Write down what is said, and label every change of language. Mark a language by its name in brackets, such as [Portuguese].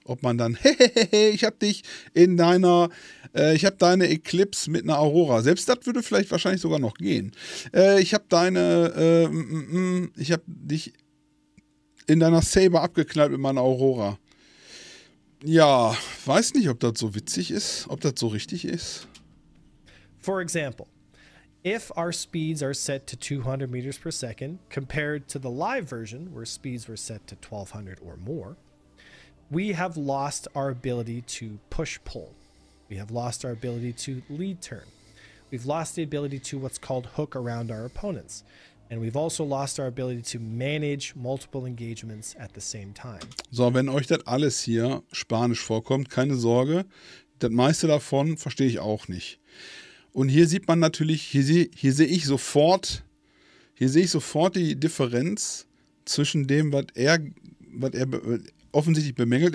[German] Ob man dann, ich habe deine Eclipse mit einer Aurora. Selbst das würde vielleicht wahrscheinlich sogar noch gehen. Ich habe dich in deiner Saber abgeknallt mit meiner Aurora. Ja, weiß nicht, ob das so witzig ist, ob das so richtig ist. [English] For example, if our speeds are set to 200 meters per second compared to the live version where speeds were set to 1200 or more, we have lost our ability to push-pull. We have lost our ability to lead turn. We've lost the ability to what's called hook around our opponents. And we've also lost our ability to manage multiple engagements at the same time. [German] So, wenn euch das alles hier spanisch vorkommt, keine Sorge, das meiste davon verstehe ich auch nicht. Und hier sieht man natürlich, hier sehe ich sofort die Differenz zwischen dem, was er offensichtlich bemängelt.